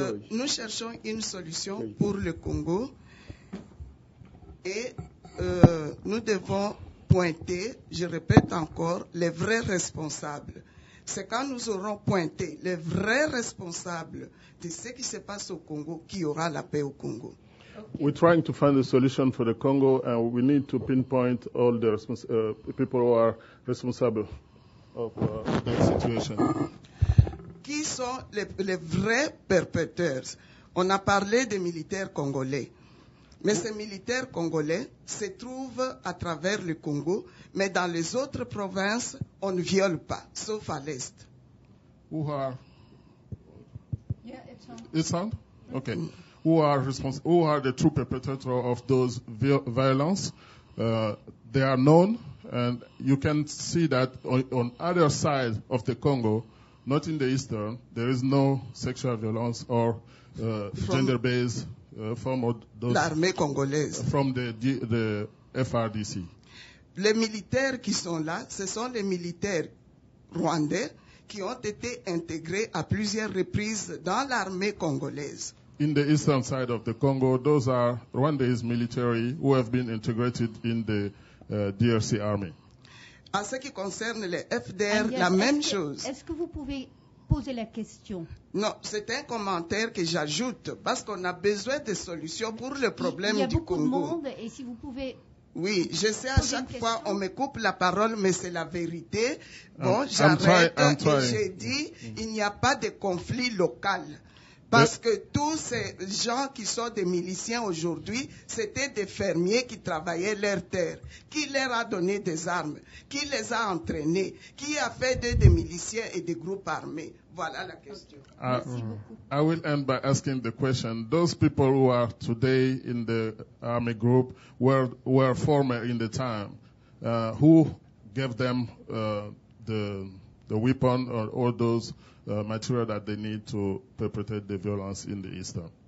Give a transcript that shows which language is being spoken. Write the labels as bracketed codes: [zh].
[fr] Nous cherchons une solution pour le Congo et nous devons pointer, je répète encore, les vrais responsables. C'est quand nous aurons pointé les vrais responsables de ce qui se passe au Congo qu'il y aura la paix au Congo. [en] Okay. We're trying to find a solution for the Congo and we need to pinpoint all the people who are responsible of the situation. [fr] Qui sont les vrais perpétrateurs? On a parlé des militaires congolais. Mais ces militaires congolais se trouvent à travers le Congo, mais dans les autres provinces, on ne viole pas, sauf à l'est. [en] Who are? Yeah, it's on. It's on? Okay. Who are responsible? Who are the true perpetrators of those violence? They are known, and you can see that on other side of the Congo, not in the Eastern, there is no sexual violence or gender-based form of those. [fr] L'armée congolaise. [en] From the FRDC. [fr] Les militaires qui sont là, ce sont les militaires rwandais qui ont été intégrés à plusieurs reprises dans l'armée congolaise. [en] In the Eastern side of the Congo, those are Rwandese military who have been integrated in the DRC army. [fr] En ce qui concerne les FDR, la même chose. Est-ce que vous pouvez poser la question? Non, c'est un commentaire que j'ajoute, parce qu'on a besoin de solutions pour le problème du Congo. Il y a beaucoup de monde, et si vous pouvez... Oui, je sais, à chaque fois, on me coupe la parole, mais c'est la vérité. Bon, j'ai dit, il n'y a pas de conflit local. Parce que tous ces gens qui sont des miliciens aujourd'hui, c'était des fermiers qui travaillaient leur terre. Qui leur a donné des armes? Qui les a entraînés? Qui a fait des miliciens et des groupes armés? Voilà la question. [en] I will end by asking the question. Those people who are today in the army group were former in the time. Who gave them the weapon or those material that they need to perpetrate the violence in the Eastern.